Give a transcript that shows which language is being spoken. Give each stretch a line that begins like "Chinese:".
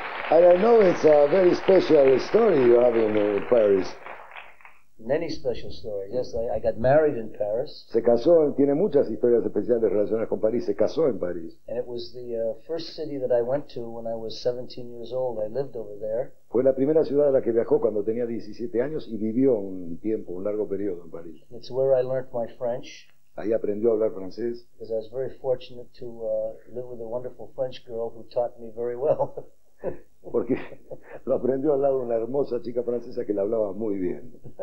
English: And I know it's a very special story you have in Paris. Many special stories. Yes, I got married in Paris.
Spanish: Se casó, tiene muchas historias especiales relacionadas con París. Se casó en París.
English: And it was the first city that I went to when I was 17 years old. I lived over there.
Spanish: Fue la primera ciudad a la que viajó cuando tenía 17 años y vivió un tiempo, un largo periodo en París.
English: It's where I learned my French.
Spanish: Ahí aprendió a hablar francés.
English: Because I was very fortunate to live with a wonderful French girl who taught me very well.
Spanish: Porque lo aprendió al lado de una hermosa chica francesa que le hablaba muy bien.